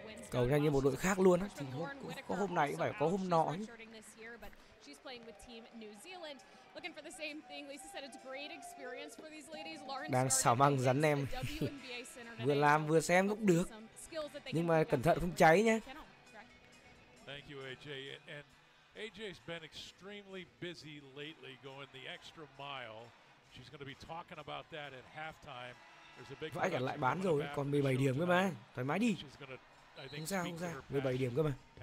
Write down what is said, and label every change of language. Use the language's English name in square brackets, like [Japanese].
[Vietnamese] Cầu nhanh như một đội khác luôn á, thì có hôm này cũng phải có hôm nọ. [English] She's playing with Team New Zealand, looking for the same thing. Lisa said it's great experience for these ladies. [Vietnamese] Lauren đang xào măng rắn em. Vừa làm vừa xem cũng được, nhưng mà cẩn thận không cháy nhé. [English] Thank you, AJ. And AJ's been extremely busy lately, going the extra mile. She's going to be talking about that at halftime. There's a big. [Vietnamese] Vãi cả lại bán rồi, còn 17 điểm cơ mà, thoải mái đi. Không sao, không sao, 17 điểm cơ mà.